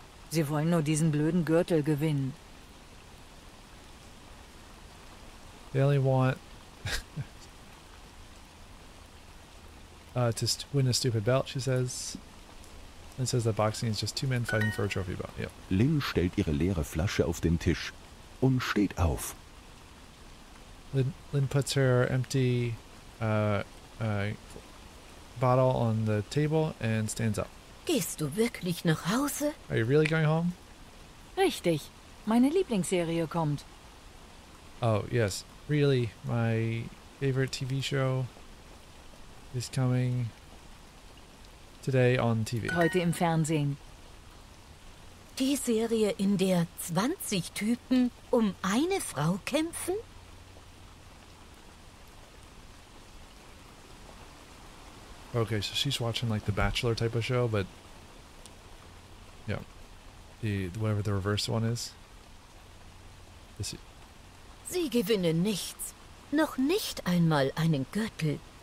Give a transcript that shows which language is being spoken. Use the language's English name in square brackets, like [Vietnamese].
[German] Sie wollen nur diesen blöden Gürtel gewinnen. [English] They only want to win a stupid belt, she says. And says that boxing is just two men fighting for a trophy belt. Yep. [German] Lynn stellt ihre leere Flasche auf den Tisch und steht auf. [English] Lynn puts her empty bottle on the table and stands up. [German] Gehst du wirklich nach Hause? [English] Are you really going home? [German] Richtig. Meine Lieblingsserie kommt. [English] Oh, yes. Really, my favorite TV show is coming today on TV. [German] Heute im Fernsehen. Die Serie, in der 20 Typen um eine Frau kämpfen? [English] Okay, so she's watching like the Bachelor type of show, but yeah, whatever the reverse one is. [German] Sie gewinnen nichts, noch nicht einmal einen Gürtel.